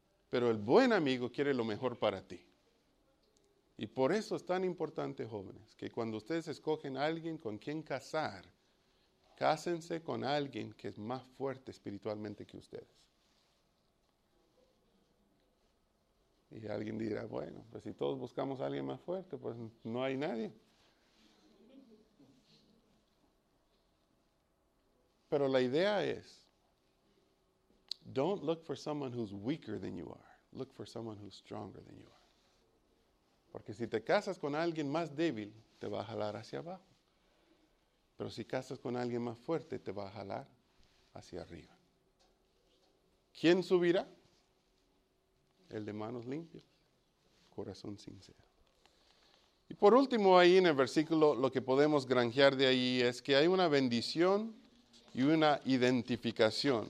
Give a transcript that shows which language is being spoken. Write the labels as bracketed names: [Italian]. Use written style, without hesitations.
[Spanish] Pero el buen amigo quiere lo mejor para ti. Y por eso es tan importante, jóvenes, que cuando ustedes escogen a alguien con quien casar, cásense con alguien que es más fuerte espiritualmente que ustedes. Y alguien dirá, bueno, pues si todos buscamos a alguien más fuerte, pues no hay nadie. Pero la idea es, [English] don't look for someone who's weaker than you are. Look for someone who's stronger than you are. [Spanish] Porque si te casas con alguien más débil, te va a jalar hacia abajo. Pero si casas con alguien más fuerte, te va a jalar hacia arriba. ¿Quién subirá? El de manos limpias, corazón sincero. Y por último, ahí en el versículo, lo que podemos granjear de ahí es que hay una bendición y una identificación.